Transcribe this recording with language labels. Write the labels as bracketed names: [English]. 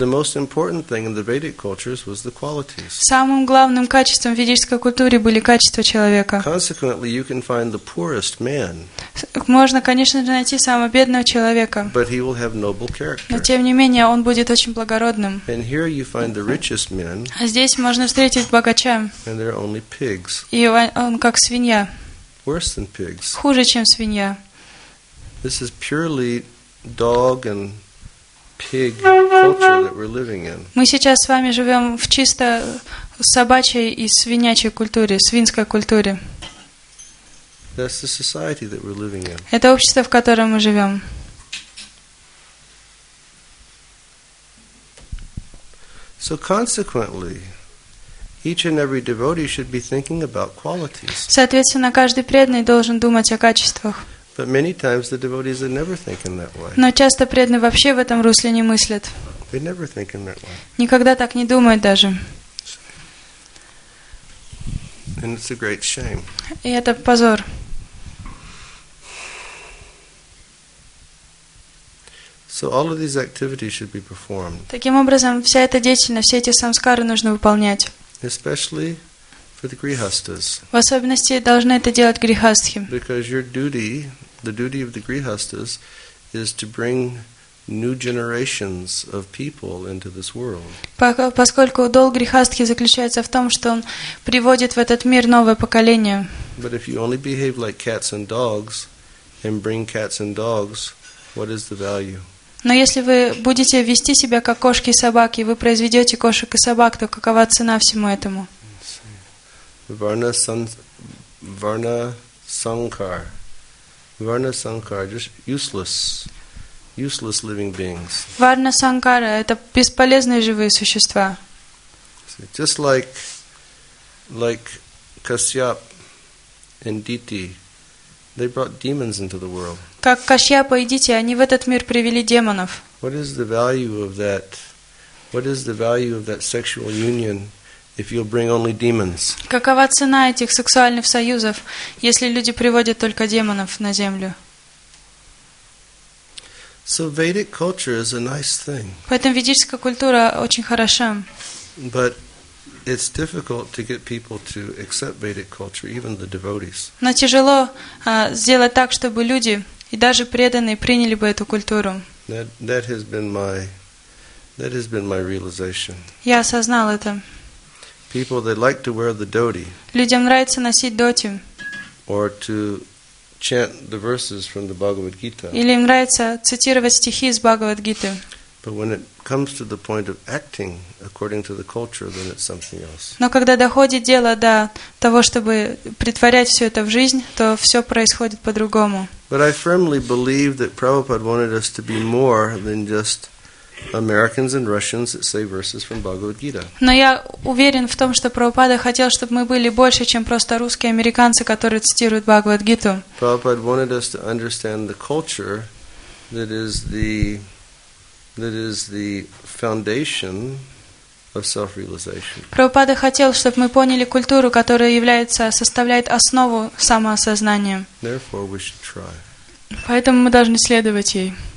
[English] The most important thing in the Vedic cultures was the qualities. [Russian] Самым главным качеством в ведической культуре были качества человека. [English] Consequently, you can find the poorest man. [Russian] Можно, конечно, найти самого бедного человека. [English] But he will have noble character. [Russian] Но тем не менее, он будет очень благородным. [English] And here you find the richest men. [Russian] А здесь можно встретить богача. [English] And they're only pigs. [Russian] И он как свинья. [English] Worse than pigs. [Russian] Хуже, чем свинья. [English] This is purely dog and pig culture that we're living in. [Russian] Мы сейчас с вами живем в чисто собачьей и свинячей культуре, свинской культуре. [English] That's the society that we're living in. [Russian] Это общество, в котором мы живем. [English] So consequently, each and every devotee should be thinking about qualities. [Russian] Соответственно, каждый преданный должен думать о качествах. [English] But many times the devotees are never thinking that way. [Russian] Но часто преданные вообще в этом русле не мыслят. [English] They never think in that way. [Russian] Никогда так не думают даже. [English] And it's a great shame. [Russian] И это позор. [English] So all of these activities should be performed. [Russian] Таким образом, вся эта деятельность, все эти самскары нужно выполнять. [English] Especially for the grihasthas. [Russian] В особенности должны это делать грихастхи. [English] Because your duty, the duty of the grihasthas, is to bring new generations of people into this world. [Russian] Поскольку долг грихастхи заключается в том, что он приводит в этот мир новое поколение. [English] But if you only behave like cats and dogs, and bring cats and dogs, what is the value? [Russian] Но если вы будете вести себя как кошки и собаки, вы произведете кошек и собак, то какова цена всему этому? [English] Varna Sankar. Varna Sankar, just useless. Useless living beings. [Russian] Varna Sankara – это бесполезные живые существа. [English] Just like Kasyap and Diti. They brought demons into the world. [Russian] Как Кашьяпа и Дити, они в этот мир привели демонов. [English] What is the value of that? What is the value of that sexual union if you'll bring only demons? [Russian] Какова цена этих сексуальных союзов, если люди приводят только демонов на землю? [English] So Vedic culture is a nice thing. [Russian] Поэтому ведическая культура очень хороша. [English] But It's difficult to get people to accept Vedic culture, even the devotees. [Russian] Но тяжело сделать так, чтобы люди и даже преданные приняли бы эту культуру. [English] That has been my realization. [Russian] Я осознал это. [English] People they like to wear the dhoti. [Russian] Людям нравится носить доти. [English] Or to chant the verses from the Bhagavad Gita. [Russian] Или им нравится цитировать стихи из Бхагавад Гиты. [English] But when it comes to the point of acting according to the culture, then it's something else. [Russian] Но когда доходит дело до того, чтобы притворять все это в жизнь, то все происходит по-другому. [English] But I firmly believe that Prabhupada wanted us to be more than just Americans and Russians that say verses from Bhagavad Gita. [Russian] Но я уверен в том, что Прабхупада хотел, чтобы мы были больше, чем просто русские американцы, которые цитируют Бхагавад Гиту. [English] Prabhupada wanted us to understand the culture that is the foundation of self-realization. [Russian] Прабхупада хотел, чтобы мы поняли культуру, которая является составляет основу самоосознания. [English] Therefore, we should try. [Russian] Поэтому мы должны следовать ей.